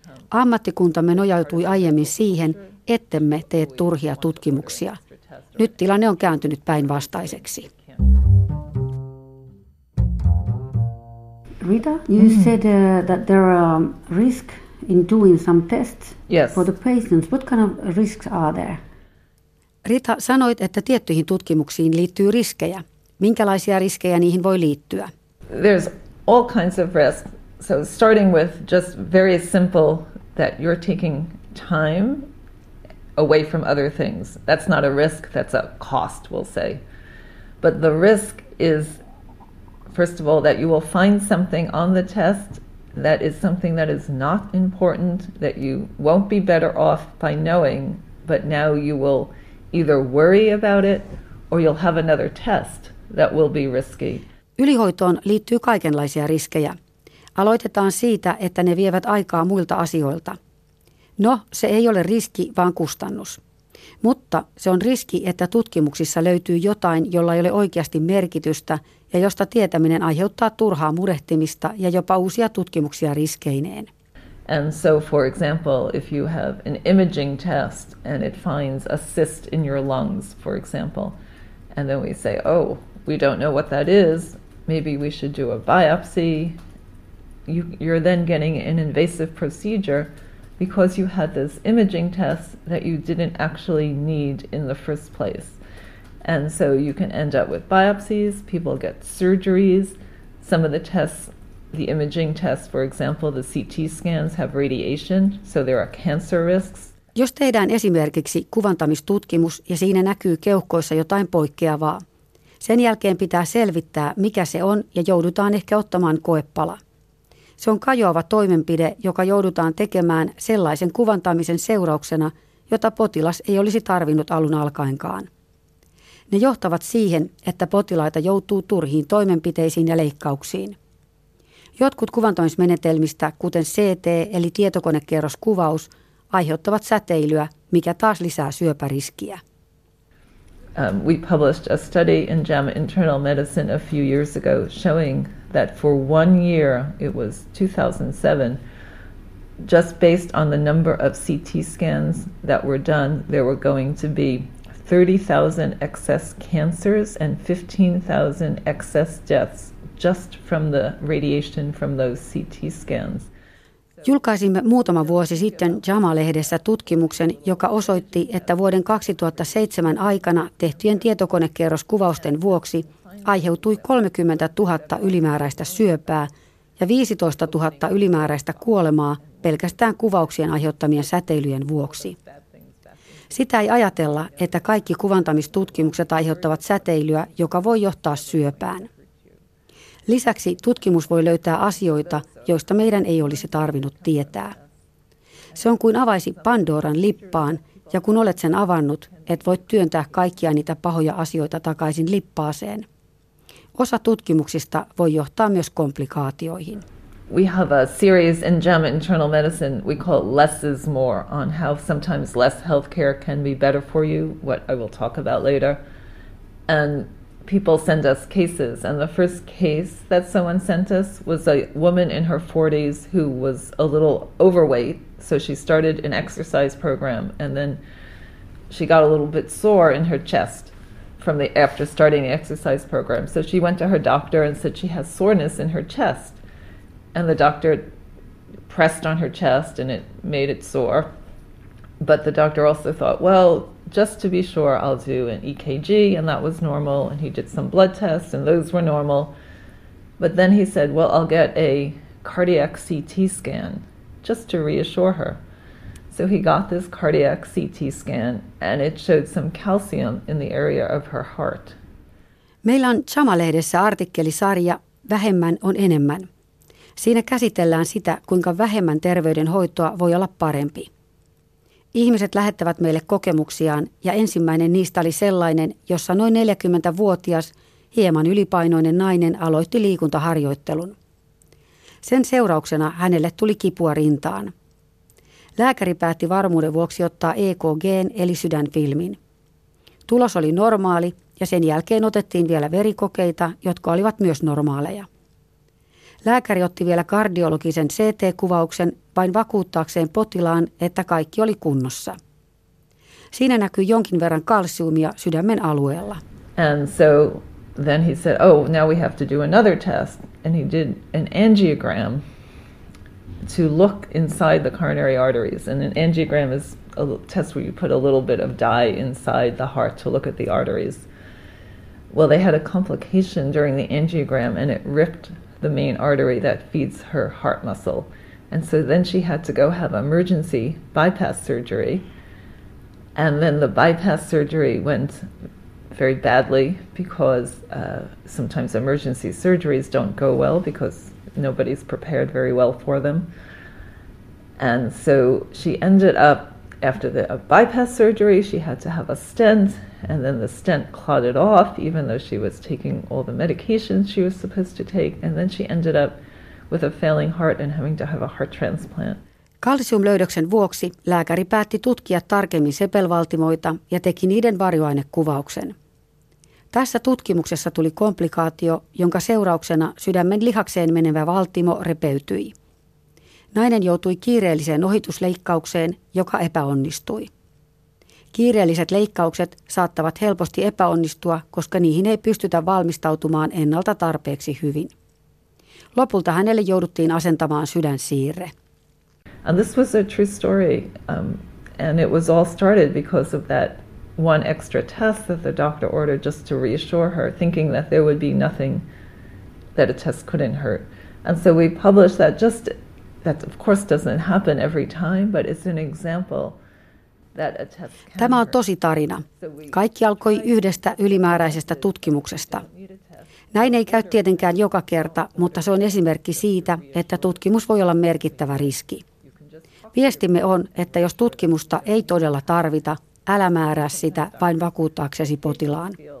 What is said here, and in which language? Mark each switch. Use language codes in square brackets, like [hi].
[fi] Ammattikuntamme nojautui aiemmin siihen, ettemme tee turhia tutkimuksia. Nyt tilanne on kääntynyt päinvastaiseksi. [en] Rita, you said that there are risks in doing some tests for the patients. What kind of risks are there? [fi] Rita, sanoit, että tiettyihin tutkimuksiin liittyy riskejä. Minkälaisia riskejä niihin voi liittyä? [en] There's all kinds of risks. So starting with just very simple that you're taking time away from other things. That's not a risk, that's a cost, we'll say. But the risk is first of all, that you will find something on the test that is something that is not important, that you won't be better off by knowing, but now you will either worry about it or you'll have another test that will be risky. [fi] Ylihoitoon liittyy kaikenlaisia riskejä. Aloitetaan siitä, että ne vievät aikaa muilta asioilta. No, se ei ole riski, vaan kustannus. Mutta se on riski, että tutkimuksissa löytyy jotain, jolla ei ole oikeasti merkitystä ja josta tietäminen aiheuttaa turhaa murehtimista ja jopa uusia tutkimuksia riskeineen. [en] And so, for example, if you have an imaging test and it finds a cyst in your lungs, for example, and then we say, oh, we don't know what that is, maybe we should do a biopsy, you're then getting an invasive procedure because you had this imaging test that you didn't actually need in the first place. And so you can end up with biopsies, people get surgeries, some of the tests, the imaging tests, for example, the CT scans have radiation, so there are cancer risks. [fi] Jos tehdään esimerkiksi kuvantamistutkimus ja siinä näkyy keuhkoissa jotain poikkeavaa, sen jälkeen pitää selvittää, mikä se on, ja joudutaan ehkä ottamaan koepala. Se on kajoava toimenpide, joka joudutaan tekemään sellaisen kuvantamisen seurauksena, jota potilas ei olisi tarvinnut alun alkaenkaan. Ne johtavat siihen, että potilaita joutuu turhiin toimenpiteisiin ja leikkauksiin. Jotkut kuvantamismenetelmistä, kuten CT eli tietokonekierroskuvaus, aiheuttavat säteilyä, mikä taas lisää syöpäriskiä. [en] We published a study in JAMA Internal Medicine a few years ago showing that for 1 year, it was 2007, just based on the number of CT scans that were done, there were going to be 30,000 excess cancers and 15,000 excess deaths just from the radiation from those CT scans. [fi] Julkaisimme muutama vuosi sitten JAMA-lehdessä tutkimuksen, joka osoitti, että vuoden 2007 aikana tehtyjen tietokonekierroskuvausten vuoksi aiheutui 30 000 ylimääräistä syöpää ja 15 000 ylimääräistä kuolemaa pelkästään kuvauksien aiheuttamien säteilyjen vuoksi. Sitä ei ajatella, että kaikki kuvantamistutkimukset aiheuttavat säteilyä, joka voi johtaa syöpään. Lisäksi tutkimus voi löytää asioita, joista meidän ei olisi tarvinnut tietää. Se on kuin avaisi Pandoran lippaan, ja kun olet sen avannut, et voi työntää kaikkia niitä pahoja asioita takaisin lippaaseen. Osa tutkimuksista voi johtaa myös komplikaatioihin. [en] We have a series in JAMA Internal Medicine, we call less is more, on how sometimes less healthcare can be better for you, what I will talk about later. And people send us cases, and the first case that someone sent us was a woman in her 40s who was a little overweight, so she started an exercise program, and then she got a little bit sore in her chest after starting the exercise program. So she went to her doctor and said she has soreness in her chest, and the doctor pressed on her chest, and it made it sore. But the doctor also thought, well, just to be sure, I'll do an EKG, and that was normal, and he did some blood tests, and those were normal. But then he said, well, I'll get a cardiac CT scan, just to reassure her. So he got this cardiac CT scan, and it showed some calcium in the area of her heart. [fi] Meillä on JAMA-lehdessä artikkelisarja Vähemmän on enemmän. Siinä käsitellään sitä, kuinka vähemmän terveydenhoitoa voi olla parempi. Ihmiset lähettävät meille kokemuksiaan, ja ensimmäinen niistä oli sellainen, jossa noin 40-vuotias, hieman ylipainoinen nainen aloitti liikuntaharjoittelun. Sen seurauksena hänelle tuli kipua rintaan. Lääkäri päätti varmuuden vuoksi ottaa EKG:n eli sydänfilmin. Tulos oli normaali, ja sen jälkeen otettiin vielä verikokeita, jotka olivat myös normaaleja. Lääkäri otti vielä kardiologisen CT-kuvauksen vain vakuuttaakseen potilaan, että kaikki oli kunnossa. Siinä näkyy jonkin verran kalsiumia sydämen alueella. [en] And so then he said, oh, now we have to do another test. And he did an angiogram to look inside the coronary arteries. And an angiogram is a test where you put a little bit of dye inside the heart to look at the arteries. Well, they had a complication during the angiogram and it ripped the main artery that feeds her heart muscle. And so then she had to go have emergency bypass surgery. And then the bypass surgery went very badly because sometimes emergency surgeries don't go well because nobody's prepared very well for them. And so she ended up, after the bypass surgery, she had to have a stent, and then the stent clotted off, even though she was taking all the medications she was supposed to take, and then she ended up with a failing heart and having to have a heart transplant. [fi] Kalsiumlöydöksen vuoksi lääkäri päätti tutkia tarkemmin sepelvaltimoita ja teki niiden varjoainekuvauksen. Tässä tutkimuksessa tuli komplikaatio, jonka seurauksena sydämen lihakseen menevä valtimo repeytyi. Nainen joutui kiireelliseen ohitusleikkaukseen, joka epäonnistui. Kiireelliset leikkaukset saattavat helposti epäonnistua, koska niihin ei pystytä valmistautumaan ennalta tarpeeksi hyvin. Lopulta hänelle jouduttiin asentamaan sydänsiirre. [en] And this was a true story, and it was all started because of that one extra test that the doctor ordered just to reassure her, thinking that there would be nothing that a test couldn't hurt. And so we published that just, that of course doesn't happen every time, but it's an example that a test can. [fi] Tämä on tosi tarina. Kaikki alkoi yhdestä ylimääräisestä tutkimuksesta. Näin ei käy tietenkään joka kerta, mutta se on esimerkki siitä, että tutkimus voi olla merkittävä riski. Viestimme on, että jos tutkimusta ei todella tarvita, älä määrää sitä vain vakuuttaaksesi potilaan.